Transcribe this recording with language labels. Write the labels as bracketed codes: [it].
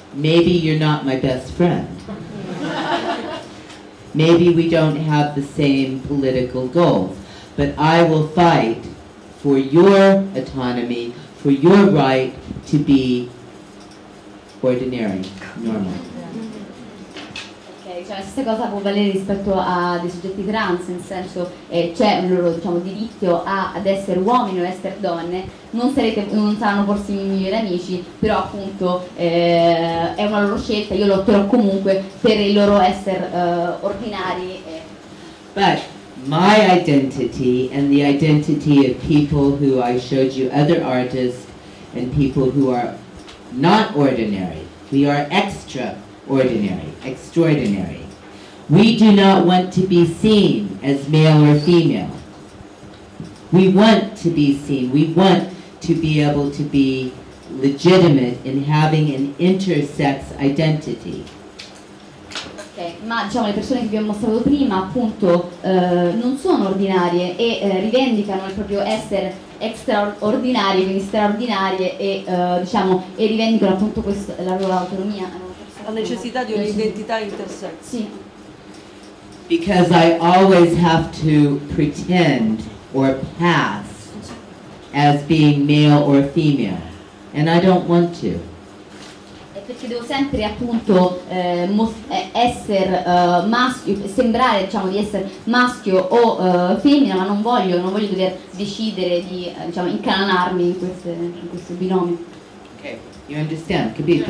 [en] Maybe you're not my best friend. Maybe we don't have the same political goals, but I will fight for your autonomy, for your right to be ordinary, normal. [it] Cioè, la stessa cosa può valere rispetto a dei soggetti trans, nel senso c'è un loro, diciamo, diritto ad essere uomini o essere donne, non saranno forse i migliori amici, però appunto è una loro scelta, io lotterò comunque per il loro essere ordinari. [en] But my identity and the identity of people who I showed you, other artists and people who are not ordinary, we are extra ordinary, extraordinary. We do not want to be seen as male or female. We want to be seen. We want to be able to be legitimate in having an intersex identity. [it] Ma diciamo, le persone che vi ho mostrato prima appunto non sono ordinarie e rivendicano il proprio essere extraordinarie, quindi straordinarie, e diciamo, e rivendicano appunto questa, la loro autonomia. La necessità di un'identità intersex. Sì. [en] because I always have to pretend or pass as being male or female, and I don't want to. [it] Perché devo sempre appunto maschio, sembrare diciamo di essere maschio o femmina, ma non voglio dover decidere di diciamo incanalarmi in questo binomio. [en] Ok, you understand, [it] capito?